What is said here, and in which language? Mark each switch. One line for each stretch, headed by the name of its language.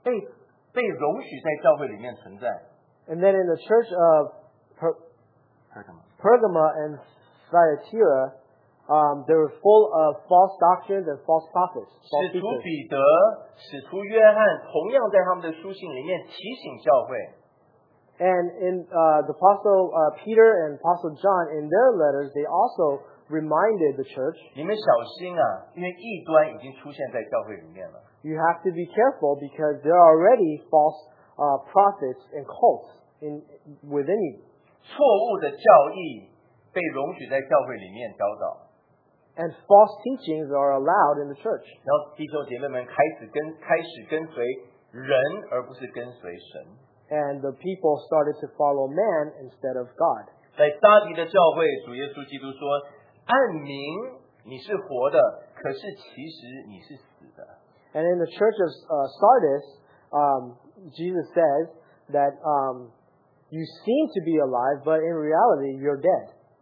Chinese: 在叠加摩和推拉的教会里面，我们看见假师傅、假先知、异端被容许在教会里面存在。
English: And then in the church of Pergama and Thyatira, they were full of false doctrines and false prophets.
Chinese: 使徒彼得、使徒约翰同样在他们的书信里面提醒教会。
English: And in the Apostle Peter and Apostle John, in their letters, they also reminded the church,
Chinese: 你们小心啊,
English: you have to be careful because there are already false prophets and cults. in within you.
Chinese: 错误的教义被容许在教会里面教导。
English: And false teachings are allowed in the church.
Chinese: 然后弟兄姐妹们开始跟随人而不是跟随神。
English: And the people started to follow man instead of God.
Chinese: 在撒迪的教会，主耶稣基督说：“按名你是活的，可是其实你是死的。”
English: And in the church of Sardis, Jesus says that you seem to be alive, but in reality, you're dead.